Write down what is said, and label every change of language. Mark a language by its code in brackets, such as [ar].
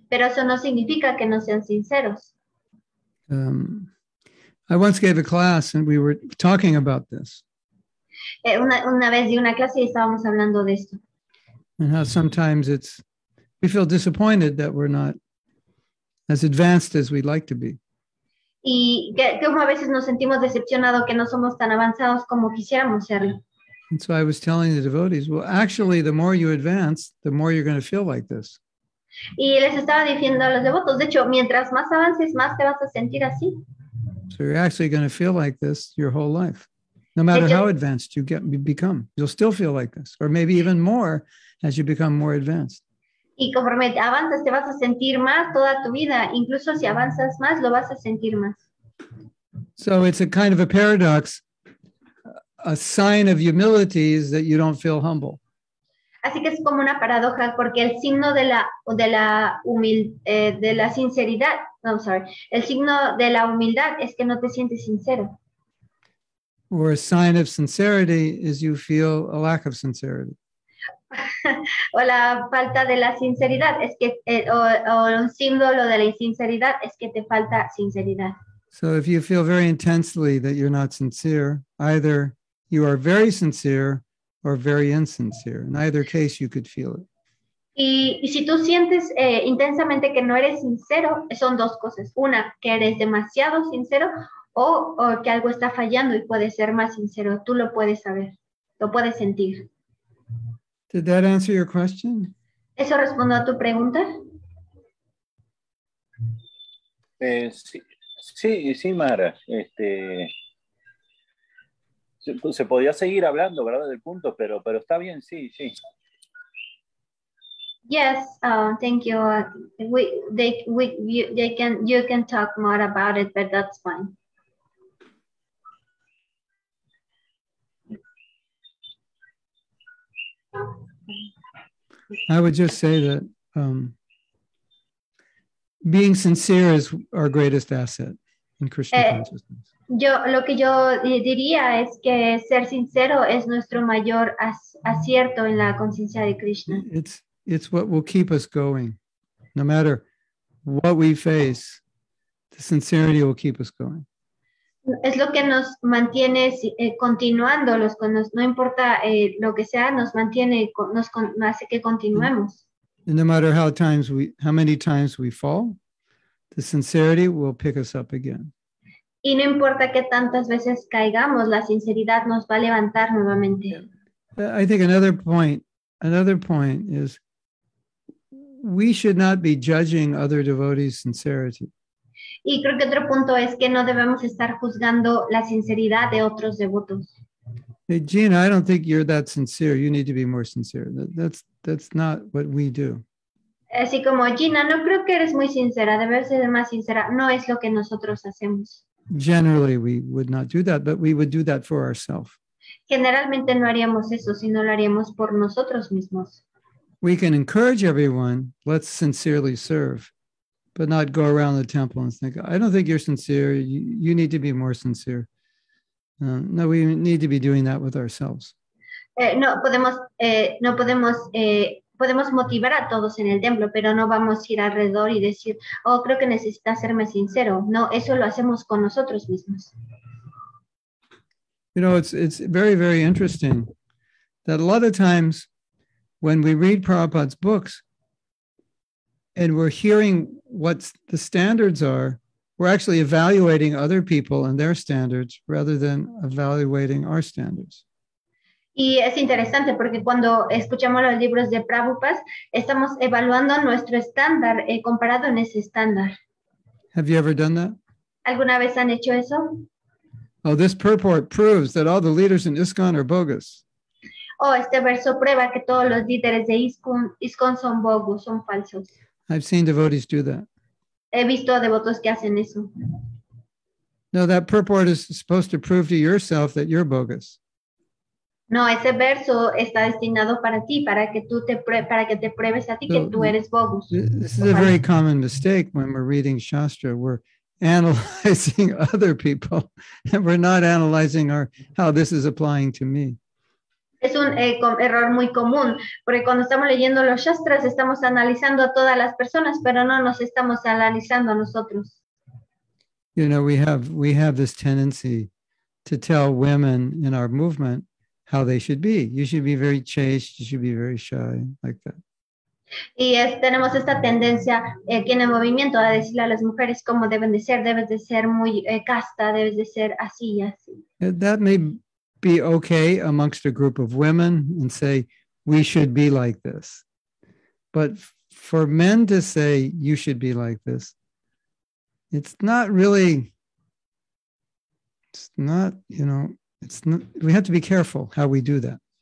[es] Pero eso no significa que no sean sinceros. [en] I once gave a class and we were talking about this. [es] Una vez di una clase y estábamos hablando de esto. [en] And how sometimes we feel disappointed that we're not as advanced as we'd like to be. [es] Y que a veces nos sentimos decepcionados que no somos tan avanzados como quisiéramos serlo. [en] And so I was telling the devotees, well, actually, the more you advance, the more you're going to feel like this. [es] Y les estaba diciendo a los devotos, de hecho, mientras más avances, más te vas a sentir así. [en] So you're actually going to feel like this your whole life. No matter [es] hecho, [en] how advanced you get, you become, you'll still feel like this, or maybe even more as you become more advanced. [es] Y conforme avanzas, te vas a sentir más toda tu vida. Incluso si avanzas más, lo vas a sentir más. [en] So it's a kind of a paradox. A sign of humility is that you don't feel humble. [es] Así que es como una paradoja, porque el signo de la sinceridad, no, [en] sorry, [es] el signo de la humildad es que no te sientes sincero. [en] Or a sign of sincerity is you feel a lack of sincerity. [es] O la falta de la sinceridad es que o un símbolo de la insinceridad es que te falta sinceridad. [en] So if you feel very intensely that you're not sincere, either you are very sincere or very insincere. In either case, you could feel it. [es] Y si tú sientes intensamente que no eres sincero, son dos cosas: una, que eres demasiado sincero, o que algo está fallando y puedes ser más sincero. Tú lo puedes saber, lo puedes sentir. [en] Did that answer your question? [es] ¿Eso respondió a tu pregunta? Sí, Mara. Se podía seguir hablando, ¿verdad? Del punto, pero está bien, sí. [en] Yes, thank you. You can talk more about it, but that's fine. I would just say that being sincere is our greatest asset in Krishna consciousness. [es] Lo que yo diría es que ser sincero es nuestro mayor acierto en la conciencia de Krishna. [en] It's what will keep us going. No matter what we face, the sincerity will keep us going. [es] Es lo que nos mantiene continuando, no importa lo que sea, nos mantiene, nos hace que continuemos. [en] And no matter how many times we fall, the sincerity will pick us up again. [es] Y no importa que tantas veces caigamos, la sinceridad nos va a levantar nuevamente. [en] I think another point is we should not be judging other devotees' sincerity. [es] Y creo que otro punto es que no debemos estar juzgando la sinceridad de otros devotos. [en] Hey, Gina, I don't think you're that sincere. You need to be more sincere. That's not what we do. [es] Así como, Gina, no creo que eres muy sincera. Debes ser más sincera. No es lo que nosotros hacemos. [en] Generally, we would not do that, but we would do that for ourselves. [es] Generalmente no haríamos eso, sino lo haríamos por nosotros mismos. [en] We can encourage everyone, let's sincerely serve. But not go around the temple and think, I don't think you're sincere. You need to be more sincere. No, we need to be doing that with ourselves. [es] Podemos motivar a todos en el templo, pero no vamos a ir alrededor y decir, oh, creo que necesita serme sincero. No, eso lo hacemos con nosotros mismos. [en] You know, it's very, very interesting that a lot of times when we read Prabhupada's books, and we're hearing what the standards are, we're actually evaluating other people and their standards rather than evaluating our standards. [es] Y es interesante porque cuando escuchamos los libros de Prabhupada, estamos evaluando nuestro estándar comparado en ese estándar. [en] Have you ever done that? [es] ¿Alguna vez han hecho eso? [en] Oh, this purport proves that all the leaders in ISKCON are bogus. [es] Oh, este verso prueba que todos los líderes de ISKCON son bogus, son falsos. [en] I've seen devotees do that. [es] He visto devotos que hacen eso. [en] No, that purport is supposed to prove to yourself that you're bogus. [es] No, ese verso está destinado para ti, para que te pruebes a ti que tú eres bogus. [en] This is a very common mistake when we're reading Shastra. We're analyzing other people and we're not analyzing how this is applying to me. [es] Es un error muy común, porque cuando estamos leyendo los Shastras estamos analizando a todas las personas, pero no nos estamos analizando a nosotros. [en] You know, we have this tendency to tell women in our movement how they should be. You should be very chaste, you should be very shy, like that. [es] Y tenemos esta tendencia aquí en el movimiento a decirle a las mujeres cómo deben de ser. Debes de ser muy casta, debes de ser así y así. [en] That may be okay amongst a group of women and say, we should be like this. But for men to say, you should be like this, we have to be careful how we do that.